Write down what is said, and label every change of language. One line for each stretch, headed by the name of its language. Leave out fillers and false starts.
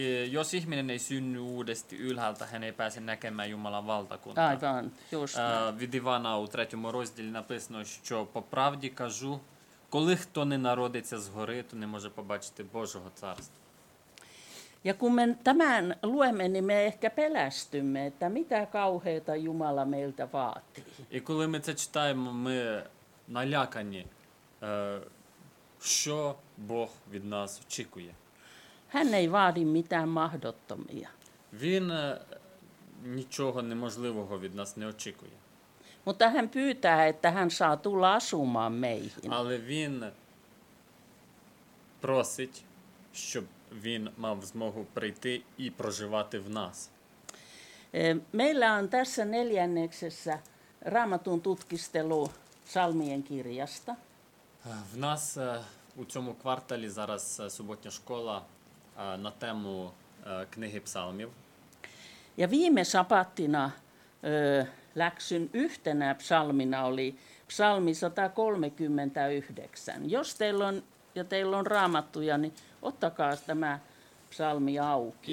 Finnish: Jos ihminen ei synny uudesti ylhäältä, hän ei pääse näkemään Jumalan valtakuntaa. Aivan, just.
Ukrainian: Від Івана у третьому розділі написано, що по правді кажу, коли хто не народиться згори, то не може побачити Божого царства.
Finnish: Ja kun me tämän luemme, niin me ehkä pelästymme, että mitä kauheita Jumala meiltä vaatii.
Ukrainian: І коли ми це читаємо, ми налякані, що Бог від нас очікує.
Finnish: Hän ei vaadi mitään mahdottomia.
Ukrainian: Він нічого неможливого від нас не очікує.
Finnish: Mutta hän pyytää, että hän saa tulla asumaan meihin.
Ukrainian: Але він просить, щоб він мав змогу прийти і проживати в нас.
Finnish: Meillä on tässä neljänneksessä Raamatun tutkistelu Salmien kirjasta.
Ukrainian: В нас у цьому кварталі зараз суботня школа на тему книги псалмів.
Finnish: Ja viime sabattina läksyn yhtenä psalmina oli psalmi 139. Jos teillä on ja teillä on raamattuja, niin ottakaa tämä psalmi auki.